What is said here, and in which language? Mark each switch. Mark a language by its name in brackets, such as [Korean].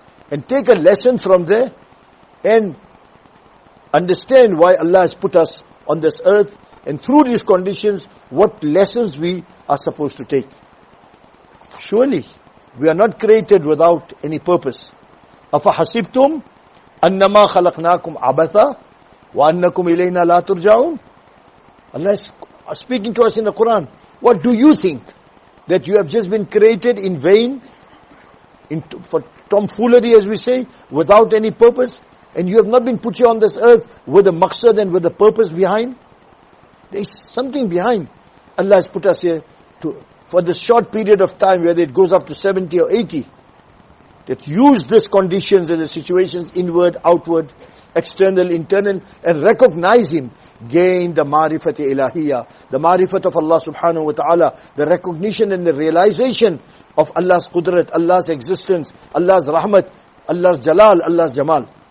[English] And take a lesson from there and understand why Allah has put us on this earth and through these conditions, what lessons we are supposed to take. Surely, we are not created without any purpose. [Arabic] أَفَحَسِبْتُمْ أَنَّمَا خَلَقْنَاكُمْ عَبَثًا وَأَنَّكُمْ إِلَيْنَا لَا تُرْجَعُونَ. [English] Allah has speaking to us in the Quran. What do you think? That you have just been created in vain, for tomfoolery as we say, without any purpose, and you have not been put here on this earth with a maqsad and with a purpose behind? There is something behind. Allah has put us here to, for this short period of time, whether it goes up to 70 or 80, that use this conditions and the situations, inward, outward, external, internal, and recognize Him, gain the marifat ilahiyya, the marifat of Allah subhanahu wa ta'ala, the recognition and the realization of Allah's qudrat, Allah's existence, Allah's rahmat, Allah's jalal, Allah's jamal.